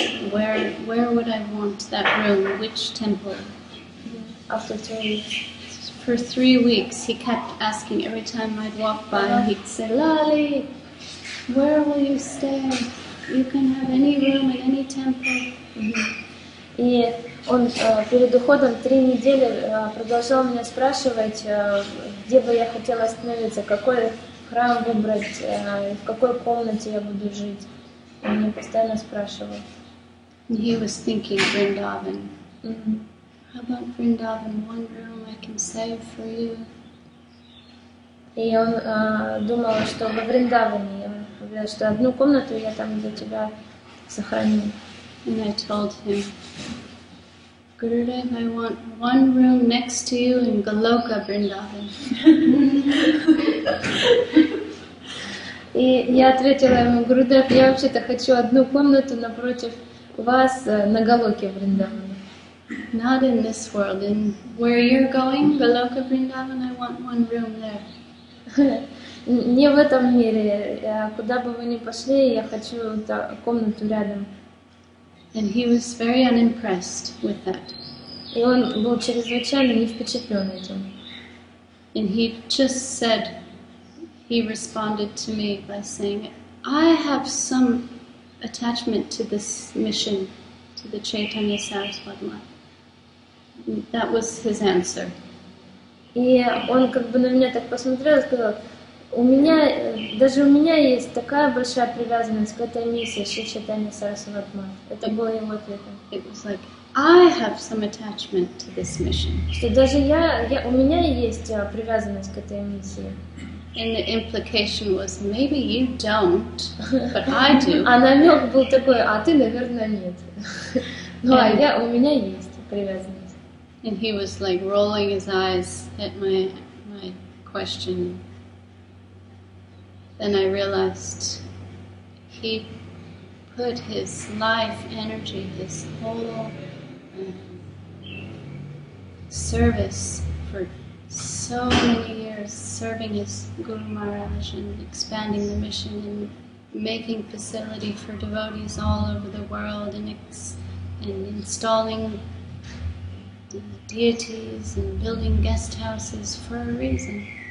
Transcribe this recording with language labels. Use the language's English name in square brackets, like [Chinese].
[English] Where would I want that room? Which temple? After 3 weeks. For 3 weeks, he kept asking, every time I'd walk by, he'd say, Lali, where will you stay? You can have any room in any temple. Yeah. [Russian] Он перед уходом 3 недели продолжал меня спрашивать, где бы я хотела остановиться, какой храм выбрать, в какой комнате я буду жить. Он меня постоянно спрашивал. [English] He was thinking Vrindavan. Mm-hmm. How about Vrindavan? One room I can save for you. [Russian] И он думал, что во Вриндаване, что одну комнату я там для тебя сохраню. [English] And I told him, Gurudev, I want one room next to you in Goloka Vrindavan. [Russian] И я ответила ему, Гурудев, я вообще-то хочу одну комнату напротив вас на Голоке Вриндаван. [English] Not in this world, in where you're going, Goloka Vrindavan, I want one room there. [Russian] Не в этом мире, куда бы вы ни пошли, я хочу комнату рядом. [English] And he was very unimpressed with that. [Russian] И он был чрезвычайно не впечатлен этим. [English] And he just said, he responded to me by saying, I have some attachment to this mission, to the Chaitanya Saraswatma. That was his answer. [Russian] И он как бы на меня так посмотрел и сказал, у меня, даже у меня есть такая большая привязанность к этой миссии, Шри Чайтанья Сарасватма. Это было его ответом. [English] It was like, I have some attachment to this mission. [Russian] Что даже я у меня есть привязанность к этой миссии. [English] And the implication was, maybe you don't, but I do. [Russian] А намек был такой, а ты, наверное, нет. Ну, а я, у меня есть привязанность. [English] And he was like rolling his eyes at my question. Then I realized he put his life energy, his whole service for so many years, serving his Guru Maharaj and expanding the mission and making facility for devotees all over the world and installing deities and building guest houses for a reason.